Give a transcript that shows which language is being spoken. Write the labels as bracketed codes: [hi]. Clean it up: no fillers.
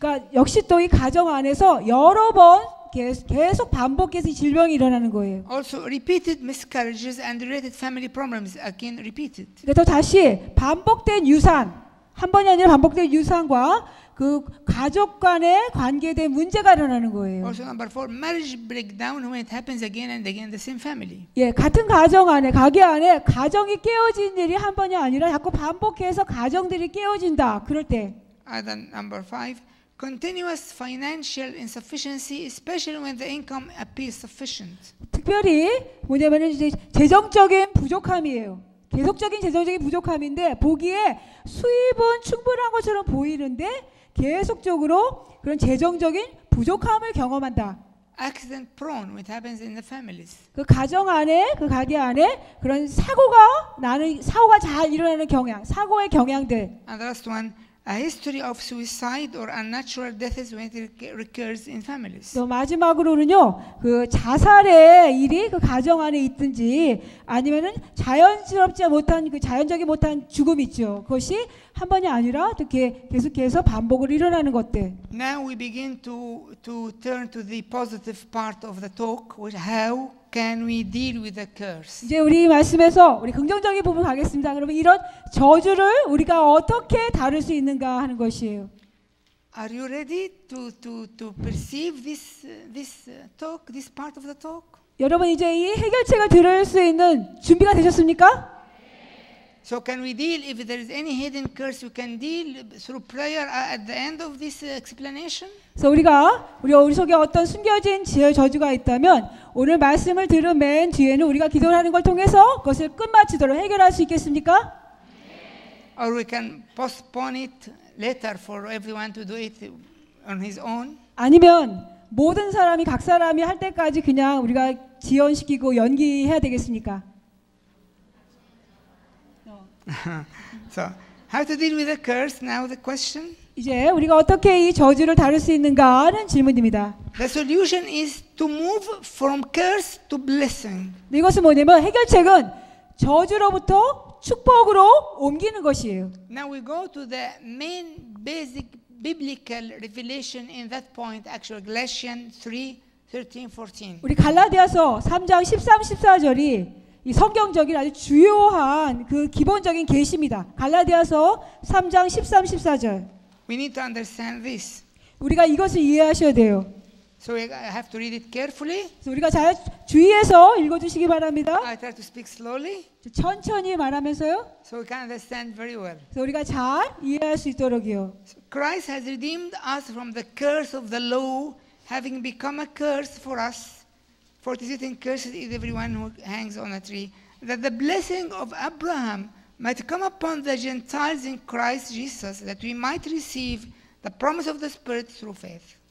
[ko] 그러니까 역시 또 이 가정 안에서 여러 번 계속 반복해서 질병이 일어나는 거예요. [en] Also repeated miscarriages and related family problems again repeated. [ko] 그러니까 또 다시 반복된 유산. 한 번이 아니라 반복된 유산과 그 가족 간의 관계된 문제가 일어나는 거예요. [en] Also number four, marriage breakdown when it happens again and again in the same family. [ko] 예, 같은 가정 안에 가게 안에 가정이 깨어진 일이 한 번이 아니라 자꾸 반복해서 가정들이 깨어진다. 그럴 때. [en] And then number five, continuous financial insufficiency, especially when the income appears sufficient. [ko] 특별히 뭐냐면은 이제 재정적인 부족함이에요. 계속적인 재정적인 부족함인데 보기에 수입은 충분한 것처럼 보이는데 계속적으로 그런 재정적인 부족함을 경험한다. [en] Accident prone, which happens in the families. [ko] 그 가정 안에 그 가게 안에 그런 사고가 나는 사고가 잘 일어나는 경향, 사고의 경향들. [en] And the last one, a history of suicide or unnatural deaths when it recurs in families. [ko] 또 마지막으로는요, 그 자살의 일이 그 가정 안에 있든지 아니면은 자연스럽지 못한 그 자연적이 못한 죽음 있죠. 그것이 한 번이 아니라 이렇게 계속해서 반복으로 일어나는 것들. [en] Now we begin to turn to the positive part of the talk, which how can we deal with the curse? [ko] 이제 우리 말씀에서 우리 긍정적인 부분 가겠습니다. 그러면 이런 저주를 우리가 어떻게 다룰 수 있는가 하는 것이에요. [en] Are you ready to perceive this talk, this part of the talk? [ko] 여러분 이제 이 해결책을 들을 수 있는 준비가 되셨습니까? [en] So can we deal if there is any hidden curse? We can deal through prayer at the end of this explanation. [ko] So 우리 속에 어떤 숨겨진 저주가 있다면 오늘 말씀을 들은 맨 뒤에는 우리가 기도하는 걸 통해서 그것을 끝마치도록 해결할 수 있겠습니까? [en] Or we can postpone it later for everyone to do it on his own. [ko] 아니면 모든 사람이 각 사람이 할 때까지 그냥 우리가 지연시키고 연기해야 되겠습니까? [en] So, how to deal with the curse? Now the question. [ko] 이제 우리가 어떻게 이 저주를 다룰 수 있는가 하는 질문입니다. [en] The solution is to move from curse to blessing. [ko] 이것은 뭐냐면 해결책은 저주로부터 축복으로 옮기는 것이에요. [en] Now we go to the main basic biblical revelation in that point. Actually, Galatians 3:13-14. [ko] 우리 갈라디아서 3장 13-14절이 이 성경적인 아주 주요한 그 기본적인 계시입니다. 갈라디아서 3장 13-14절. [en] We need to understand this. [ko] 우리가 이것을 이해하셔야 돼요. [en] So I have to read it carefully. [ko] 우리가 잘 주의해서 읽어 주시기 바랍니다. [en] I try to speak slowly. [ko] 천천히 말하면서요. [en] So we can understand very well. [ko] 우리가 잘 이해할 수 있도록요. [en] So Christ has redeemed us from the curse of the law, having become a curse for us. For it is written, cursed is everyone who hangs on a tree, that the blessing of Abraham might come upon the Gentiles in Christ Jesus, that we might receive the promise of the Spirit through faith.